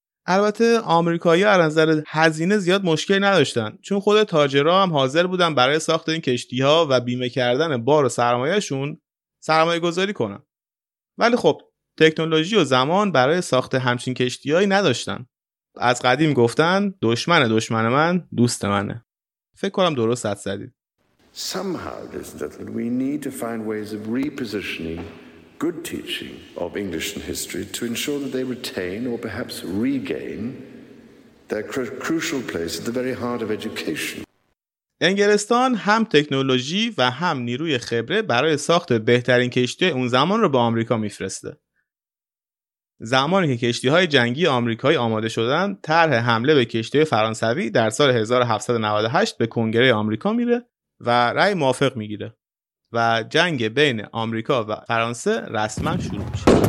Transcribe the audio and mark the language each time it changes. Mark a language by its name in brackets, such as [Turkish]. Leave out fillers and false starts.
[Persian] البته آمریکایی‌ها از نظر هزینه زیاد مشکل نداشتن، چون خود تاجرها هم حاضر بودن برای ساخت این کشتی‌ها و بیمه کردن بار و سرمایه‌شون سرمایه‌گذاری کنن. ولی خب تکنولوژی و زمان برای ساخت همچین کشتی‌هایی نداشتن. از قدیم گفتن دشمن دشمن من دوست منه. فکر کنم درست حد زدید. [English] Somehow this that we need to find ways of repositioning good teaching of English and history to ensure that they retain or perhaps regain their crucial place at the very heart of education. [Persian] انگلستان هم تکنولوژی و هم نیروی خبره برای ساخت بهترین کشتی اون زمان رو به آمریکا می‌فرسته. زمانی که کشتی‌های جنگی آمریکایی آماده شدند، طرح حمله به کشتی فرانسوی در سال 1798 به کنگره آمریکا میره و رأی موافق میگیره و جنگ بین آمریکا و فرانسه رسما شروع میشه.